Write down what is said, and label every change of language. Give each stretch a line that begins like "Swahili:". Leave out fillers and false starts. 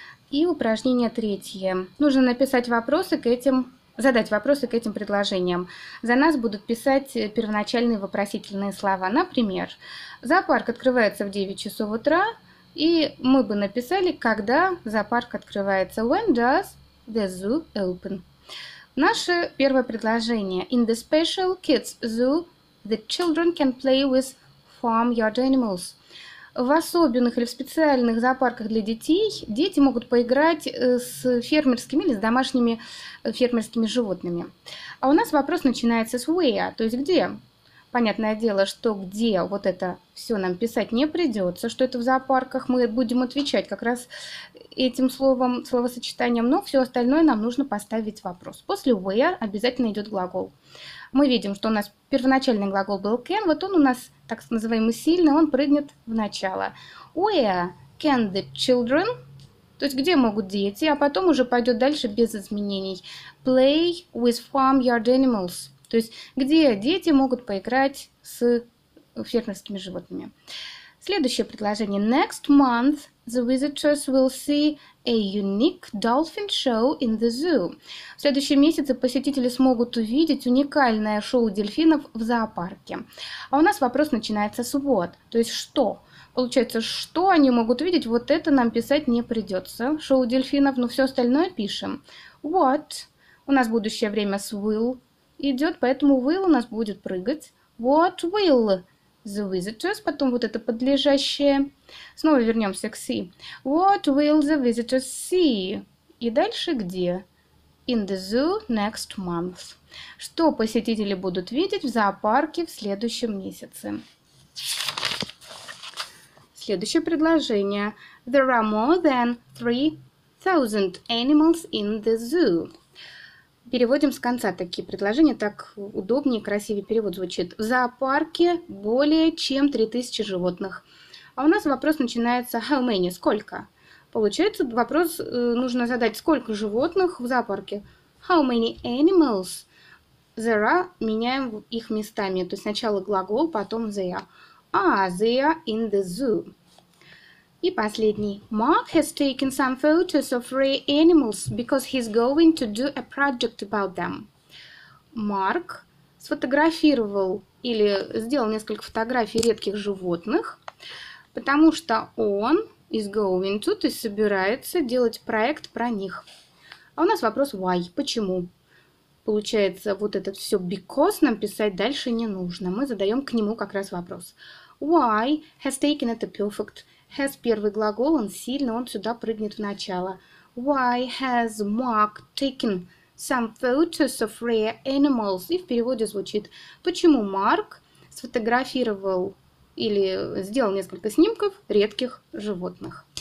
Russian: И упражнение третье. Нужно написать вопросы к этим, задать вопросы к этим предложениям. За нас будут писать первоначальные вопросительные слова. Например, зоопарк открывается в 9 часов утра, и мы бы написали, когда зоопарк открывается.
English: When does the zoo open?
Russian: Наше первое предложение.
English: In the special kids zoo, the children can play with farmyard animals.
Russian: В особенных или в специальных зоопарках для детей дети могут поиграть с фермерскими или с домашними фермерскими животными. А у нас вопрос начинается с where, то есть где. Понятное дело, что где вот это все нам писать не придется, что это в зоопарках. Мы будем отвечать как раз этим словом, словосочетанием, но все остальное нам нужно поставить вопрос. После where обязательно идет глагол. Мы видим, что у нас первоначальный глагол был can, вот он у нас, так называемый, сильный, он прыгнет в начало.
English: Where can the children,
Russian: то есть где могут дети, а потом уже пойдет дальше без изменений.
English: Play with farmyard animals.
Russian: То есть, где дети могут поиграть с фермерскими животными. Следующее предложение.
English: Next month the visitors will see a unique dolphin show in the zoo.
Russian: В следующем месяце посетители смогут увидеть уникальное шоу дельфинов в зоопарке. А у нас вопрос начинается с what, то есть что. Получается, что они могут увидеть, вот это нам писать не придется. Шоу дельфинов, но все остальное пишем.
English: What.
Russian: У нас будущее время с will идет, поэтому will у нас будет прыгать.
English: What will the visitors,
Russian: потом вот это подлежащее. Снова вернемся к see.
English: What will the visitors see?
Russian: И дальше где?
English: In the zoo next month.
Russian: Что посетители будут видеть в зоопарке в следующем месяце? Следующее предложение.
English: There are more than 3,000 animals in the zoo.
Russian: Переводим с конца такие предложения, так удобнее, красивее перевод звучит. В зоопарке более чем 3000 животных. А у нас вопрос начинается
English: how many,
Russian: сколько? Получается, вопрос нужно задать, сколько животных в зоопарке?
English: How many animals? There are,
Russian: меняем их местами, то есть сначала глагол, потом there.
English: They are in the zoo.
Russian: И последний. Mark has taken some photos of rare animals because he's going to do a project about them. Марк сфотографировал или сделал несколько фотографий редких животных, потому что он
English: is going to,
Russian: то есть собирается делать проект про них. А у нас вопрос why, почему? Получается, вот этот все because нам писать дальше не нужно. Мы задаем к нему как раз вопрос.
English: Why has taken it a perfect?
Russian: Has первый глагол, он сильный, он сюда прыгнет в начало.
English: Why has Mark taken some photos of rare animals?
Russian: И в переводе звучит, почему Марк сфотографировал или сделал несколько снимков редких животных.